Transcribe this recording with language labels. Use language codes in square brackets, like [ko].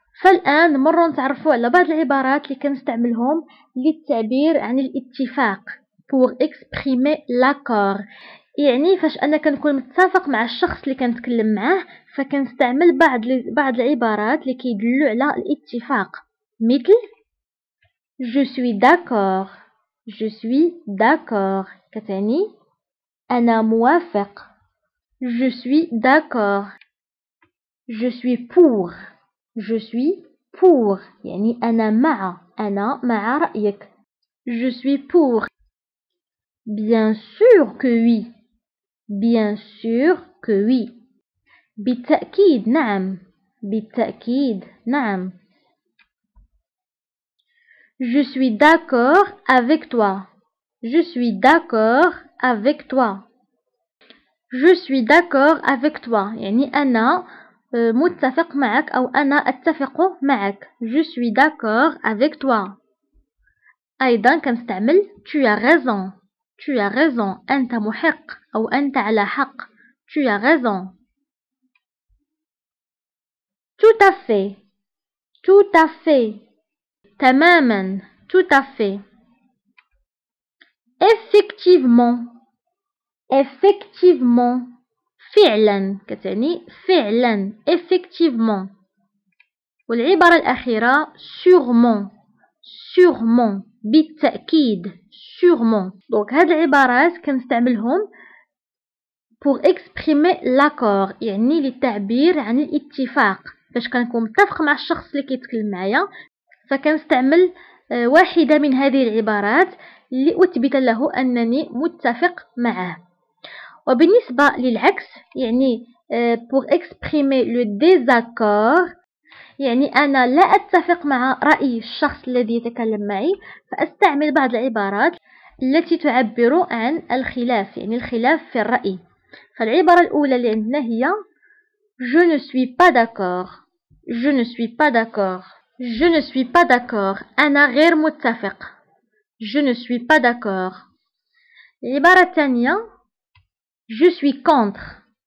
[ar] فالآن مرة نتعرفوا على بعض العبارات اللي كنستعملهم للتعبير عن الاتفاق. [fr] Pour exprimer l'accord. [ar] يعني فاش أنا كنكون متفق مع الشخص اللي كنتكلم معاه فكنستعمل بعض العبارات اللي كيدلوا على الاتفاق. [fr] مثل Je suis d'accord. Je suis d'accord. [ar] كتعني أنا موافق. [fr] Je suis d'accord. Je suis pour. Je suis pour. [ar] يعني أنا مع. أنا مع رأيك. [fr] Je suis pour. Bien sûr que oui. Bien sûr que oui. [ar] بالتأكيد نعم. بالتأكيد نعم. [fr] Je suis d'accord avec toi. Je suis d'accord avec toi. Je suis d'accord avec toi. [ar] يعني أنا متفق معك أو أنا أتفق معك. [fr] Je suis d'accord avec toi. [ar] أيضا كنستعمل [fr] tu as raison. Tu as raison. [ar] أنت محق أو أنت على حق. [fr] Tu as raison. Tout à fait. Tout à fait. [ar] تماما. [fr] Tout à fait. Effectivement. Effectivement. [ar] فعلا. كتعني فعلا. Effectivement. والعبارة الأخيرة. Sûrement. [fr] Sûrement. [ar] بالتأكيد. [fr] Sûrement. Donc [ar] هذه العبارات كنستعملهم [fr] pour exprimer l'accord. [ar] يعني للتعبير عن الاتفاق. باش كنكون متفق مع الشخص اللي كيتكلم معايا فكنستعمل واحدة من هذه العبارات لأثبت له أنني متفق معه. وبالنسبة للعكس يعني [fr] pour exprimer le désaccord [ar] يعني أنا لا أتفق مع رأي الشخص الذي يتكلم معي فأستعمل بعض العبارات التي تعبر عن الخلاف يعني الخلاف في الرأي. فالعبارة الأولى اللي عندنا هي [fr] Je ne suis pas d'accord. Je ne suis pas d'accord. Je ne suis pas d'accord. [ar] أنا غير متفق. [fr] Je ne suis pas d'accord. [ar] العبارة الثانية [fr] Je suis contre.